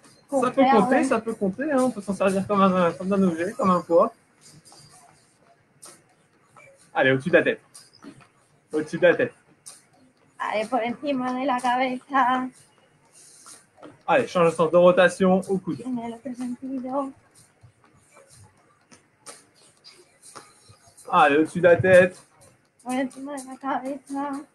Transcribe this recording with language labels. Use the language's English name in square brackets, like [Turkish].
[French] Ça peut compter, ouais. Ça peut compter. Hein. On peut s'en servir comme un objet, comme un poids. Allez, au-dessus de la tête. Au-dessus de la tête. [Spanish] Allez, por encima de la cabeza. [French] Allez, change de sens de rotation au coude. [Spanish] En el otro sentido. [French] Allez, au-dessus de la tête. [Spanish] Por encima de la cabeza.